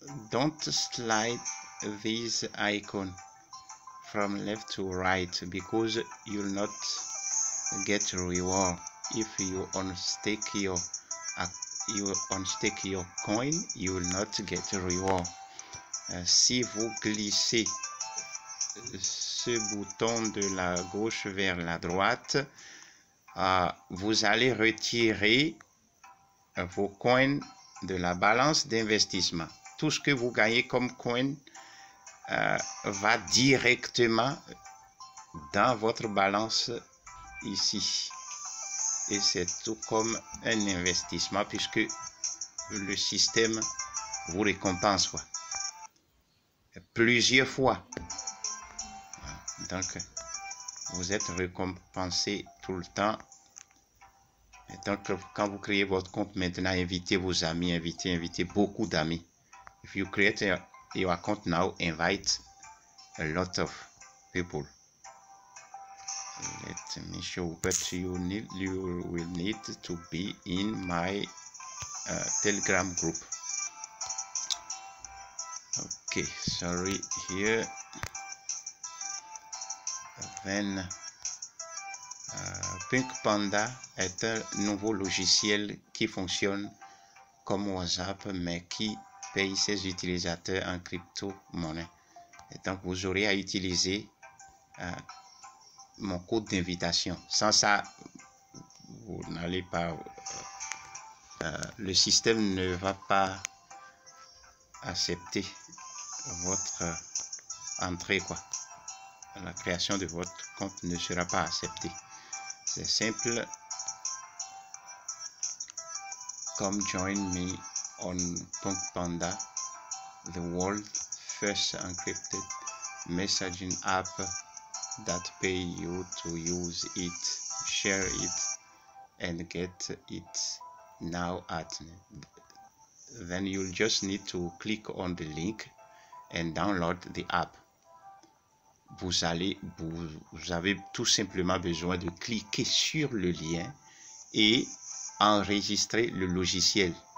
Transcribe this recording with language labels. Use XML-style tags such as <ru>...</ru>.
<en>Don't slide this icon from left to right because you'll not get reward if you unstake your coin. You will not get reward.</en> <fr>Si vous glissez ce bouton de la gauche vers la droite, vous allez retirer vos coins de la balance d'investissement. Tout ce que vous gagnez comme coin va directement dans votre balance ici. Et c'est tout comme un investissement puisque le système vous récompense quoi. Plusieurs fois. Donc, vous êtes récompensé tout le temps. Et donc, quand vous créez votre compte maintenant, invitez vos amis, invitez beaucoup d'amis.</fr> <en>If you create your account now, invite a lot of people. Let me show what you will need to be in my Telegram group. Okay, sorry, here.</en> <fr>Then, PunkPanda est un nouveau logiciel qui fonctionne comme WhatsApp, mais qui paye ses utilisateurs en crypto-monnaie. Et donc, vous aurez à utiliser mon code d'invitation. Sans ça, vous n'allez pas... le système ne va pas accepter votre entrée, quoi. La création de votre compte ne sera pas acceptée. C'est simple.</fr> <en>Come join me on PunkPanda, the world first encrypted messaging app that pay you to use it, share it, and get it now at. Then you'll just need to click on the link and download the app.</en> <fr>Vous avez tout simplement besoin de cliquer sur le lien et enregistrer le logiciel.</fr>